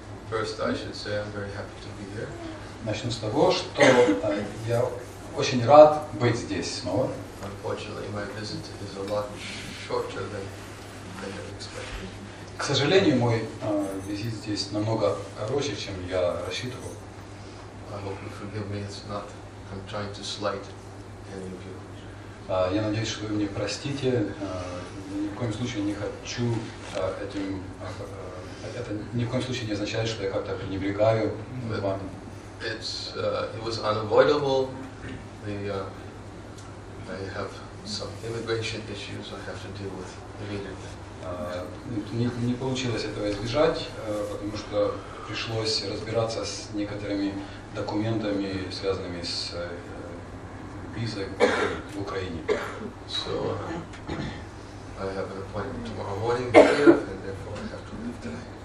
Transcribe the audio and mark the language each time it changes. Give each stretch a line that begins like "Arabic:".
English: First, I should say I'm very happy to be here.
Russian: Начну с того, что я очень рад быть здесь снова.
English: Unfortunately, my visit is a lot shorter than I had expected.
Russian: К сожалению, мой визит здесь намного короче, чем я рассчитывал.
English: I hope you forgive me. It's not. I'm trying to slight any of you.
Russian: Я надеюсь, что вы мне простите. Ни в коем случае не хочу этим... Это ни в коем случае не означает, что я как-то пренебрегаю вам.
English: It was unavoidable. I have some immigration issues I have to deal with immediately.
Russian: Не получилось этого избежать, потому что пришлось разбираться с некоторыми документами, связанными с визой в Украине.
English: So I have an appointment tomorrow morning in Kiev, and therefore I have to leave today.